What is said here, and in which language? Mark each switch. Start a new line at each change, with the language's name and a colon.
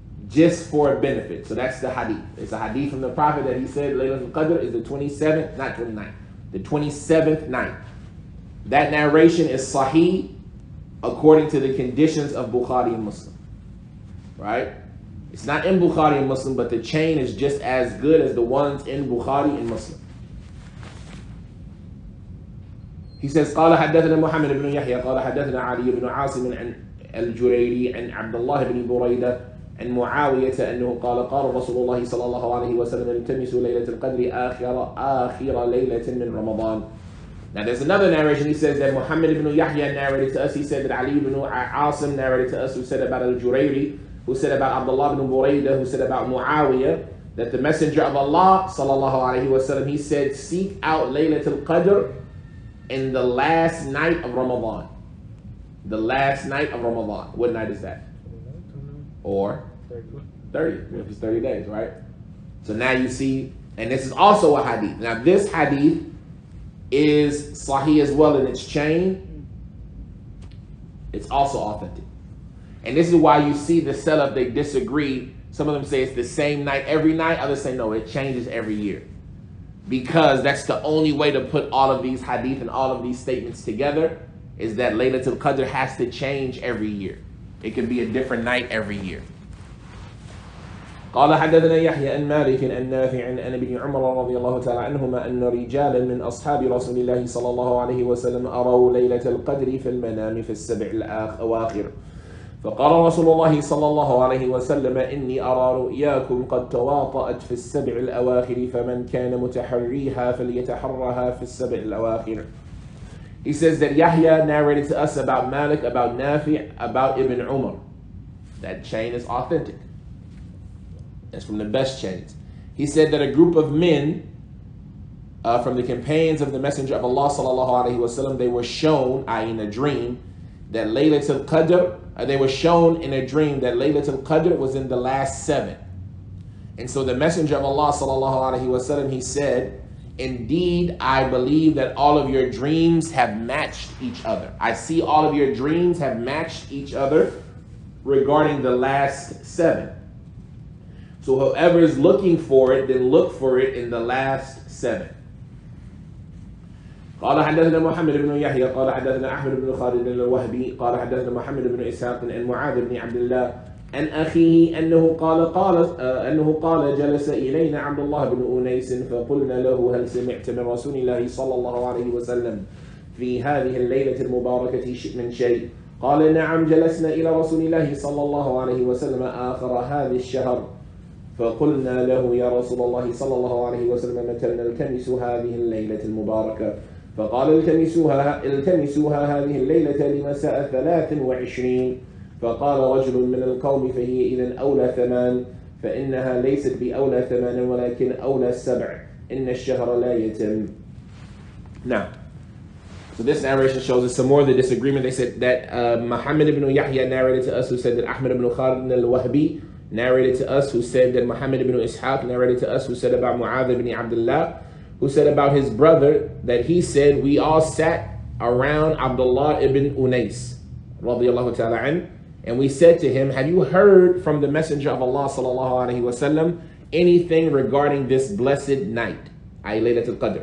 English: just for a benefit. So that's the hadith. It's a hadith from the Prophet that he said Laylatul Qadr is the 27th, not 29th, the 27th night. That narration is sahih according to the conditions of Bukhari and Muslim. Right? It's not in Bukhari and Muslim, but the chain is just as good as the ones in Bukhari and Muslim. He says,
Arabic: قال حدثنا محمد بن يحيى قال حدثنا علي بن عاصم عن الجريري عن عبد الله بن بريدة عن معاوية أنه قال قال رسول الله صلى الله عليه وسلم التمسوا ليلة القدر آخر ليلة من رمضان.
English: Now there's another narration. He says that Muhammad ibn Yahya narrated to us. He said that Ali ibn Asim narrated to us, who said about al-Jurayri, who said about Abdullah ibn Buraydah, who said about Muawiyah, that the Messenger of Allah, sallallahu alayhi wa sallam, he said, seek out Laylatul Qadr in the last night of Ramadan. The last night of Ramadan. What night is that? 29. Or? 30. 30. Yeah. It's 30 days, right? So now you see, and this is also a hadith. Now this hadith is sahih as well in its chain. It's also authentic. And this is why you see the setup, they disagree. Some of them say it's the same night every night. Others say no, it changes every year. Because that's the only way to put all of these hadith and all of these statements together, is that Laylatul Qadr has to change every year. It can be a different night every year.
Arabic: قال حدثنا يحيى بن مالك عن نافع عن ابن عمر رضي الله تعالى عنهما أن رجالا من أصحاب رسول الله صلى الله عليه وسلم أروا ليلة القدر في المنام في السبع الأواخر فقال رسول الله صلى الله عليه وسلم إني أرى رؤياكم قد تواطأت في السبع الأواخر فمن كان متحريها فليتحرها في السبع الأواخر.
English: He says that Yahya narrated to us about Malik, about Nafi, about Ibn Umar. That chain is authentic. That's from the best chains. He said that a group of men from the companions of the Messenger of Allah sallallahu alayhi wa sallam, they were shown, i.e. in a dream, that Laylatul Qadr, they were shown in a dream that Laylatul Qadr was in the last seven. And so the Messenger of Allah sallallahu alayhi wa sallam, he said, indeed, I believe that all of your dreams have matched each other. I see all of your dreams have matched each other regarding the last seven. So whoever is looking for it, then look for it in the last seven.
Arabic: قال حدثنا محمد بن يحيى قال حدثنا أحمد بن خالد الوهبي قال حدثنا محمد بن إسحاق عن معاذ بن عبد الله عن أخيه أنه قال قال أنه قال جلس إلينا عبد الله بن أنيس فقلنا له هل سمعت من رسول الله صلى الله عليه وسلم في هذه الليلة المباركة من شيء؟ قال نعم جلسنا إلى رسول الله صلى الله عليه وسلم آخر هذا الشهر. فقلنا له يا رسول الله صلى الله عليه وسلم متى نلتمس هذه الليلة المباركة؟ فقال التمسوها هذه الليلة لمساء 23. فقال رجل من القوم فهي إذا أولى ثمان فإنها ليست بأولى ثمان ولكن أولى سبع إن الشهر لا يتم.
English: Now, so this narration shows us some more of the disagreement. They said that Muhammad ibn Yahya narrated to us, who said that Ahmad ibn Khalid al-Wahbi narrated to us, who said that Muhammad ibn Ishaq narrated to us, who said about Mu'adh ibn Abdullah, who said about his brother, that he said, we all sat around Abdullah ibn Unais, radiallahu ta'ala an, and we said to him, have you heard from the Messenger of Allah, sallallahu alayhi wa sallam, anything regarding this blessed night, i.e. Laylatul Qadr?